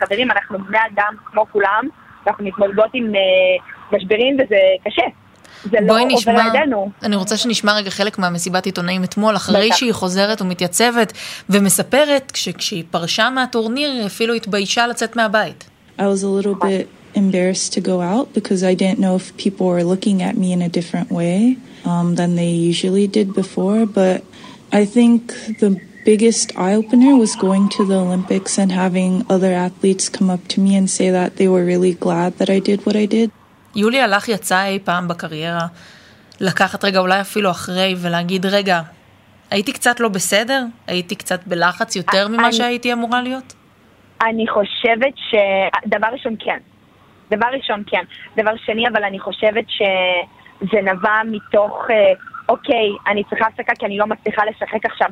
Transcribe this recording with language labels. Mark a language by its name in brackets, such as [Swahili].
[Hebrew] חברים, אנחנו בני אדם כמו כולם, אנחנו מתמודדות עם משברים וזה קשה. בואי נשמע, אני רוצה שנשמע רגע חלק מהמסיבת עיתונאים אתמול, אחרי שהיא חוזרת ומתייצבת ומספרת כשהיא פרשה מהטורניר היא אפילו התביישה לצאת מהבית. [English] I was a little bit embarrassed to go out because I didn't know if people were looking at me in a different way than they usually did before, but I think the biggest eye-opener was going to the Olympics and having other athletes come up to me and say that they were really glad that I did what I did. [Hebrew] יוליה, לך יצא אי פעם בקריירה לקחת רגע, אולי אפילו אחרי, ולהגיד, רגע, הייתי קצת לא בסדר? הייתי קצת בלחץ יותר ממה שהייתי אמורה להיות? אני חושבת שדבר ראשון, כן. דבר ראשון, כן. דבר שני, אבל אני חושבת שזה נבע מתוך, אוקיי, אני צריכה לשחק כי אני לא מצליחה לשחק עכשיו.